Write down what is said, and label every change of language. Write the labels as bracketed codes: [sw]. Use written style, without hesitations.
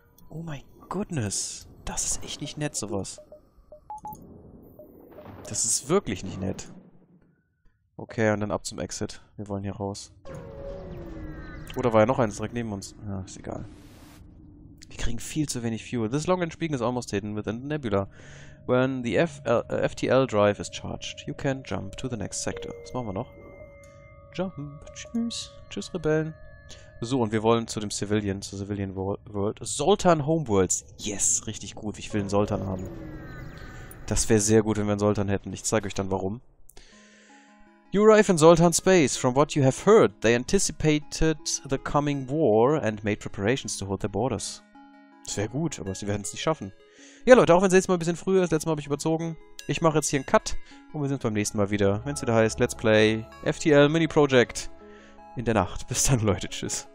[de] Oh mein goodness. Das ist echt nicht nett, sowas. Das ist wirklich nicht nett. Okay, und dann ab zum Exit. Wir wollen hier raus. Oder war ja noch eins direkt neben uns? Ja, ist egal. Wir kriegen viel zu wenig Fuel. [en] This long-range beacon is almost hidden within the nebula. When the FTL drive is charged, you can jump to the next sector. [de] Was machen wir noch? Jump. Tschüss. Tschüss, Rebellen. So, und wir wollen zu dem Civilian, zur Civilian World. Sultan Homeworlds. Yes, richtig gut. Ich will einen Sultan haben. Das wäre sehr gut, wenn wir einen Sultan hätten. Ich zeige euch dann, warum. [en] You arrive in Zoltan Space. From what you have heard, they anticipated the coming war and made preparations to hold their borders. [de] Das wäre gut, aber sie werden es nicht schaffen. Ja, Leute, auch wenn es jetzt mal ein bisschen früher ist, letztes Mal habe ich überzogen. Ich mache jetzt hier einen Cut und wir sehen uns beim nächsten Mal wieder, wenn es wieder heißt Let's Play FTL Mini Project in der Nacht. Bis dann, Leute. Tschüss.